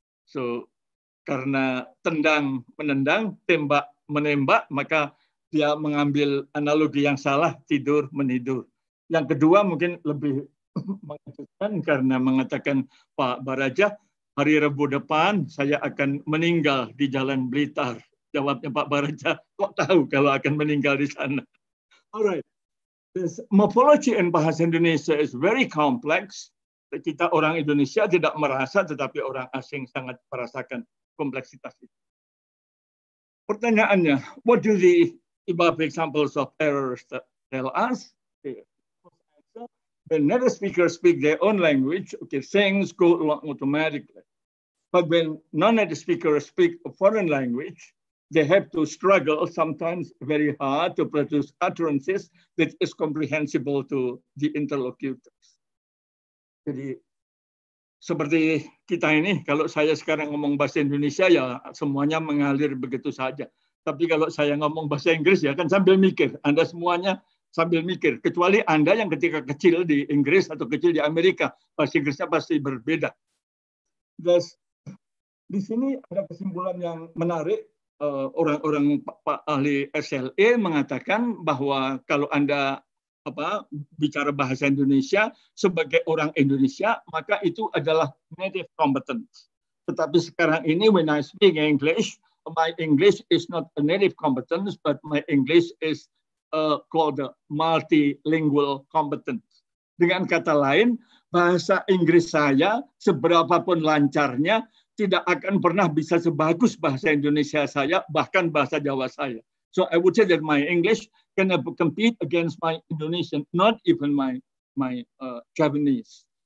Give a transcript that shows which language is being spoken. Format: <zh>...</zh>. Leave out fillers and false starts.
<id>So, karena menembak, maka dia mengambil analogi yang salah, tidur, menidur. Yang kedua mungkin lebih mengejutkan karena mengatakan Pak Baraja, hari Rabu depan saya akan meninggal di Jalan Blitar. Jawabnya Pak Baraja, kok tahu kalau akan meninggal di sana? Alright.</id> <en>This morphology in bahasa Indonesia is very complex.</en> <id>Kita orang Indonesia tidak merasa, tetapi orang asing sangat merasakan kompleksitas itu. Pertanyaannya,</id> <en>what do the above examples of errors tell us? When native speakers speak their own language, okay, things go along automatically. But when non-native speakers speak a foreign language, they have to struggle sometimes very hard to produce utterances that is comprehensible to the interlocutors.</en> <id>Jadi seperti kita ini, kalau saya sekarang ngomong bahasa Indonesia ya semuanya mengalir begitu saja. Tapi kalau saya ngomong bahasa Inggris ya kan sambil mikir. Anda semuanya sambil mikir. Kecuali Anda yang ketika kecil di Inggris atau kecil di Amerika, bahasa Inggrisnya pasti berbeda. Terus di sini ada kesimpulan yang menarik. Orang-orang Pak ahli SLE mengatakan bahwa kalau Anda bicara bahasa Indonesia sebagai orang Indonesia, maka itu adalah native competence. Tetapi sekarang ini,</id> <en>when I speak English, my English is not a native competence, but my English is called a multilingual competence.</en> <id>Dengan kata lain, bahasa Inggris saya, seberapapun lancarnya, tidak akan pernah bisa sebagus bahasa Indonesia saya, bahkan bahasa Jawa saya.</id> <en>So I would say that my English cannot compete against my Indonesian, not even my Japanese.</en>